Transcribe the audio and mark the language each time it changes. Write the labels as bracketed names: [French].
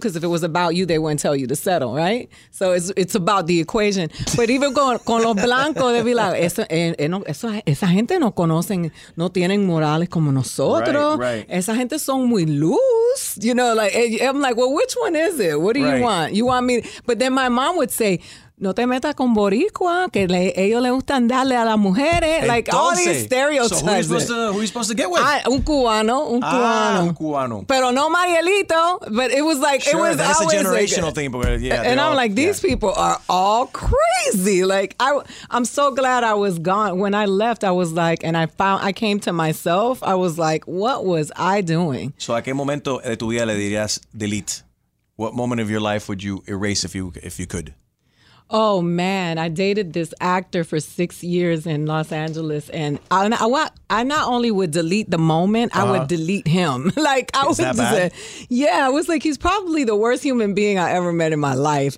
[English] Because if it was about you, they wouldn't tell you to settle, right? So it's about the equation. But even [Spanish] con los blancos, [English] they'd be like, [Spanish] esa gente no conocen, no tienen morales como nosotros. [English] Right. [Spanish] Esa gente son muy loose. [English] You know, like, I'm like, well, which one is it? What do you want? You want me... But then my mom would say... [Spanish] No te metas con boricua, que ellos le gustan darle a las mujeres. Entonces, [English] like all these stereotypes. So who are you supposed to get with? [Spanish] Un cubano. Pero no Marielito. [English] But it was like, sure, it was always a generational thing. But yeah, and I'm all, like, these people are all crazy. Like, I'm so glad I was gone. When I left, I was like, and I came to myself. I was like, what was I doing? [Spanish] So a qué momento de tu vida le dirías delete? [English] What moment of your life would you erase if you could? Oh man, I dated this actor for 6 years in Los Angeles, and I not only would delete the moment, I would delete him. Like I was just like, yeah, I was like, he's probably the worst human being I ever met in my life.